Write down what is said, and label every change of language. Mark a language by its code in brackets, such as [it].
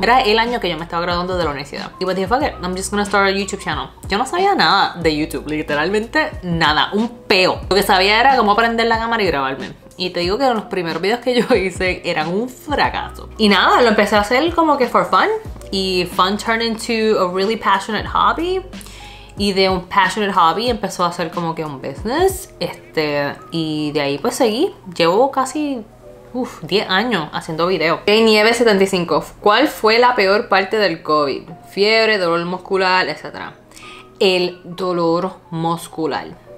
[es] Era el año que yo me estaba graduando de la universidad. Y pues dije, [en] fuck it, I'm just gonna start a YouTube channel. [es] Yo no sabía nada de YouTube, literalmente nada, un peo. Lo que sabía era cómo prender la cámara y grabarme. Y te digo que los primeros videos que yo hice eran un fracaso. Y nada, lo empecé a hacer como que [en] for fun. Y fun turned into a really passionate hobby. [es] Y de un [en] passionate hobby [es] empezó a ser como que un business. Y de ahí pues seguí. Llevo casi 10 años haciendo videos. Okay, Nieve75, ¿cuál fue la peor parte del COVID? Fiebre, dolor muscular, etc. El dolor muscular.